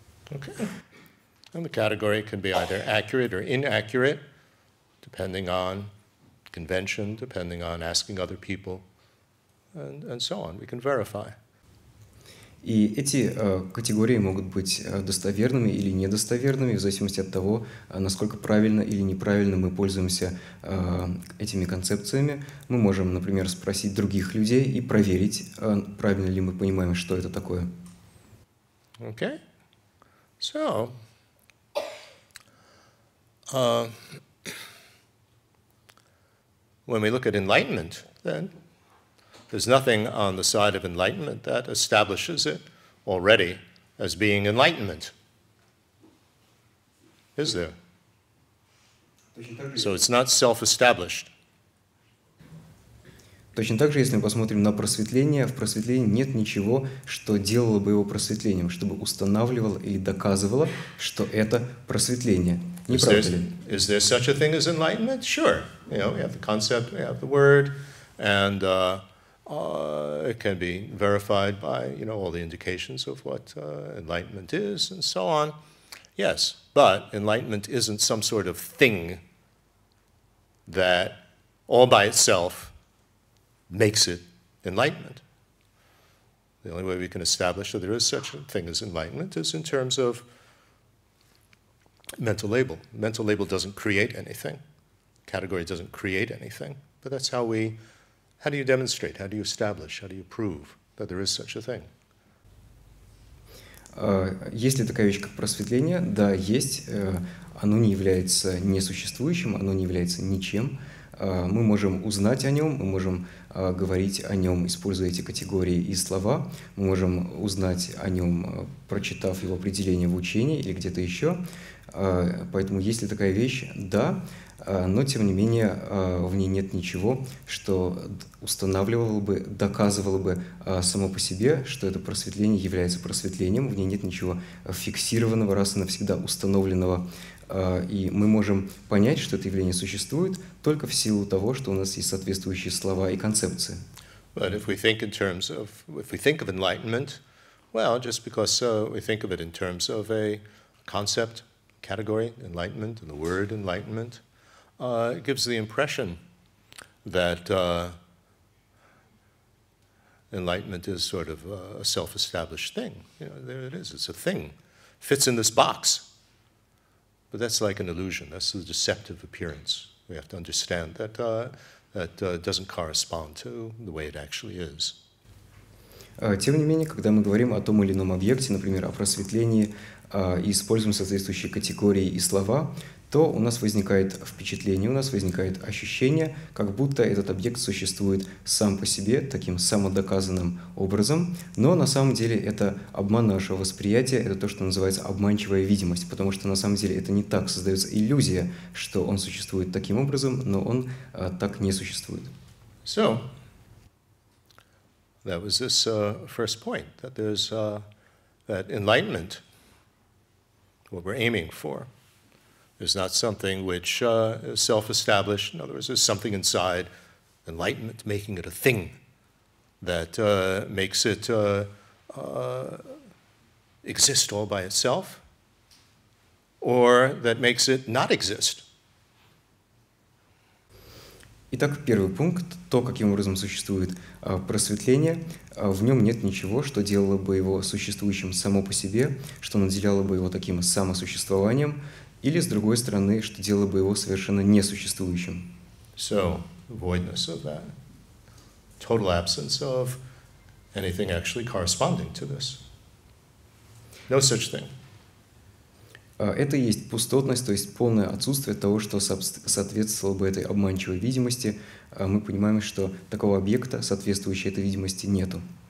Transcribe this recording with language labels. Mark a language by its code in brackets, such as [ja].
[en] Okay. And the category can be either accurate or inaccurate, depending on convention, depending on asking other people, and so on. We can verify. [ru] И эти категории могут быть достоверными или недостоверными, в зависимости от того, насколько правильно или неправильно мы пользуемся этими концепциями. Мы можем, например, спросить других людей и проверить, правильно ли мы понимаем, что это такое. [en] Okay. So, when we look at enlightenment, then there's nothing on the side of enlightenment that establishes it already as being enlightenment. Is there? So it's not self-established. [ru] Точно так же, если мы посмотрим на просветление, в просветлении нет ничего, что делало бы его просветлением, чтобы устанавливало или доказывало, что это просветление. Не правда ли? [en] Is there such a thing as enlightenment? Sure. You know, we have the concept, we have the word, and it can be verified by, you know, all the indications of what enlightenment is and so on. Yes, but enlightenment isn't some sort of thing that all by itself makes it enlightenment. The only way we can establish that there is such a thing as enlightenment is in terms of mental label. Mental label doesn't create anything. Category doesn't create anything. But that's how we... How do you demonstrate? How do you establish? How do you prove that there is such a thing? [ru] Есть ли такая вещь, как просветление? Да, есть. Оно не является несуществующим, оно не является ничем. Мы можем узнать о нем, мы можем говорить о нем, используя эти категории и слова. Мы можем узнать о нем, прочитав его определение в учении или где-то еще. Поэтому есть ли такая вещь? Да. но тем не менее в ней нет ничего, что устанавливало бы, доказывало бы само по себе, что это просветление является просветлением, в ней нет ничего фиксированного, раз и навсегда установленного. И мы можем понять, что это явление существует только в силу того, что у нас есть соответствующие слова и концепции. [en] But if we think in terms of, if we think of enlightenment, well, just because we think of it in terms of a concept, category, enlightenment, and the word enlightenment, it gives the impression that enlightenment is sort of a self-established thing. You know, there it is, it's a thing, fits in this box. But that's like an illusion, that's a deceptive appearance. We have to understand that doesn't correspond to the way it actually is. [ru] Тем не менее, когда мы говорим о том или ином объекте, например, о просветлении, и используем соответствующие категории и слова, то у нас возникает впечатление, у нас возникает ощущение, как будто этот объект существует сам по себе, таким самодоказанным образом, но на самом деле это обман нашего восприятия, это то, что называется обманчивая видимость, потому что на самом деле это не так, создается иллюзия, что он существует таким образом, но он так не существует. [en] So, that was this first point, that there's that enlightenment, what we're aiming for, is not something which is self-established. In other words, there's something inside enlightenment making it a thing that makes it exist all by itself, or that makes it not exist. [ru] Итак, первый пункт, то, каким образом существует просветление, в нем нет ничего, что делало бы его существующим само по себе, что наделяло бы его таким самосуществованием, или, с другой стороны, что делало бы его совершенно несуществующим. [en] So, voidness of that. Total absence of anything actually corresponding to this. No such thing. [ru] Это и есть пустотность, то есть полное отсутствие того, что соответствовало бы этой обманчивой видимости. Мы понимаем, что такого объекта, соответствующего этой видимости, нету.